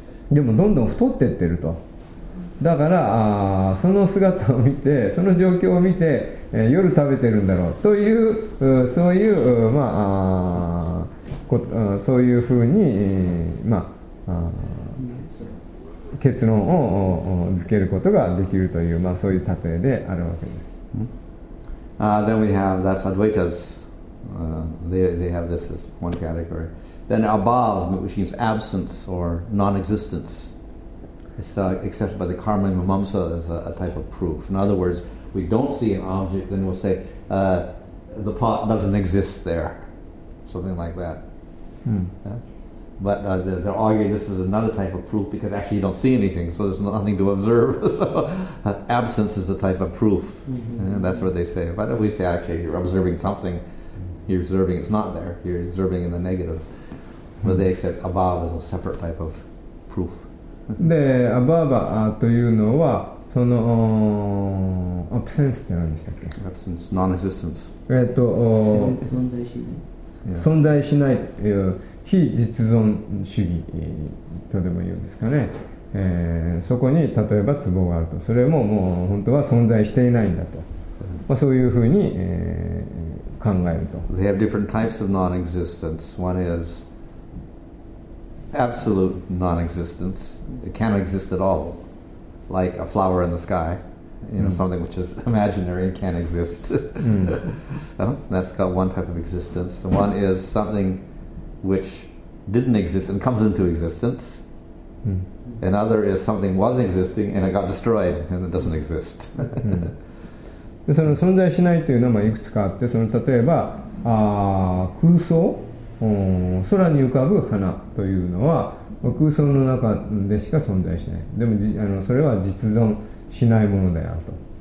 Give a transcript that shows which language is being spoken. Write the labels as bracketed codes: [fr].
[ja] でもどんどん太っていってると、だからその姿を見て、その状況を見て、夜食べてるんだろうという、そういう、まあ、そういうふうに、まあ、結論をつけることができるという、まあ、そういう例えであるわけです。 [en] Then we have that's Advaitas. They have this as one category. Then above, which means absence or non-existence. It's accepted by the karma and mamamsa as a type of proof. In other words, we don't see an object, then we'll say, the pot doesn't exist there. Something like that. Hmm. Yeah? But they're arguing this is another type of proof because actually you don't see anything, so there's nothing to observe. So absence is the type of proof. Mm-hmm. And that's what they say. But if we say, okay, you're observing something, you're observing it's not there. You're observing in the negative. Mm-hmm. But they accept above as a separate type of proof. [ja] でアバーバーというのはそのアプセンスって何でしたっけ？ [en] アプセンス、ノンエクシステンス。 [ja] 存在しないという非実存主義とでも言うんですかね、そこに例えば壺があると、それももう本当は存在していないんだと、まあ、そういうふうに、考えると。 [en] They have different types of non-existence. One isAbsolute non-existence. It can't exist at all. Like a flower in the sky. You know, something which is imaginary and can't exist. That's got one type of existence. The one is something which didn't exist and comes into existence. Another is something was existing and it got destroyed and it doesn't exist. [ja] で、その存在しないというのはいくつかあって、その例えば、空想、空に浮かぶ花というのは、空想の中でしか存在しない、でもそれは実存しないものであると。